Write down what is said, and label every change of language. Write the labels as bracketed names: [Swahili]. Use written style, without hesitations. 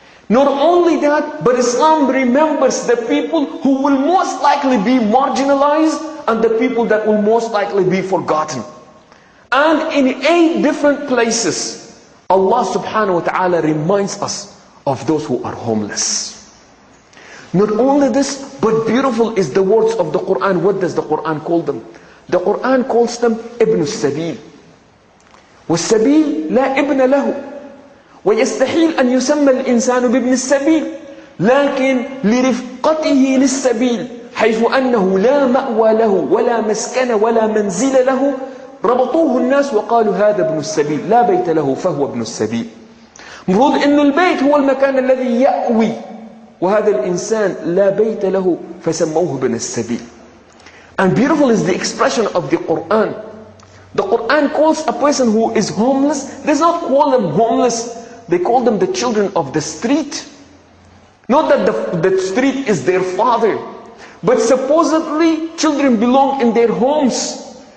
[English] Not only that, but Islam remembers the people who will most likely be marginalized and the people that will most likely be forgotten. And in 8 different places, Allah subhanahu wa ta'ala reminds us of those who are homeless. Not only this, but beautiful is the words of the Quran. What does the Quran call them? The Quran calls them Ibn al-Sabil. [Arabic] والسبيل لا ابن له ويستحيل أن يسمى الإنسان بابن السبيل لكن لرفقته للسبيل حيث أنه لا مأوى له ولا مسكن ولا منزل له ربطوه الناس وقالوا هذا ابن السبيل لا بيت له فهو ابن السبيل مفروض أن البيت هو المكان الذي يأوي وهذا الإنسان لا بيت له فسموه ابن السبيل. [English] And beautiful is the expression of the Quran. The Quran calls a person who is homeless, does not call them homeless. They call them the children of the street. Not that the street is their father. But supposedly, children belong in their homes.